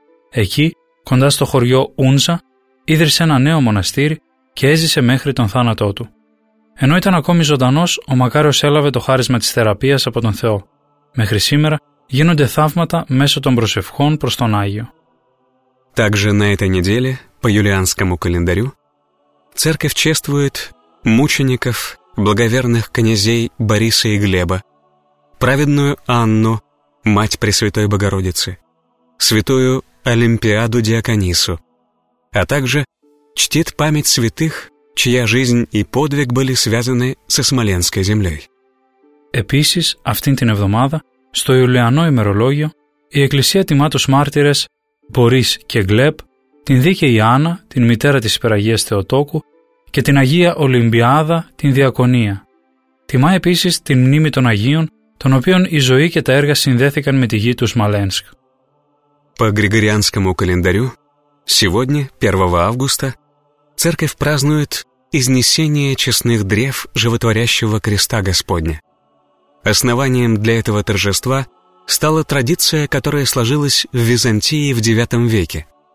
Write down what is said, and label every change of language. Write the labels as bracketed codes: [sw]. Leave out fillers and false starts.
[el] Εκεί, κοντά στο χωριό Ούνζα, ίδρυσε ένα νέο μοναστήρι και έζησε μέχρι τον θάνατό του. Ενώ ήταν ακόμη ζωντανός, ο Μακάριος έλαβε το χάρισμα της θεραπείας από τον Θεό. Μέχρι σήμερα γίνονται θαύματα μέσω των προσευχών προς τον Άγιο. [ru] Также на этой неделе, по юлианскому календарю, церковь чествует мучеников, благоверных князей Бориса и Глеба, праведную Анну, мать Пресвятой Богородицы, святую Олимпиаду Диаконису, а также чтит память святых, чья жизнь и подвиг были связаны со Смоленской землей. [el] Επίσης, αυτήν την εβδομάδα, στο Ιουλιανό ημερολόγιο, η Εκκλησία τιμά τους μάρτυρες Μπορίς και Γκλέπ, την δίκαιη Άννα, την μητέρα της Υπεραγίας Θεοτόκου και την Αγία Ολυμπιάδα, την Διακονία. Τιμά επίσης την μνήμη των Αγίων των οποίων η ζωή και τα έργα συνδέθηκαν με τη γη του Σμαλένσκ. [ru] По григорианскому календарю сегодня, 1 августа, церковь празднует изнесение честных древ животворящего креста Господня. Основанием для этого торжества стала традиция, которая сложилась в Византии в IX веке.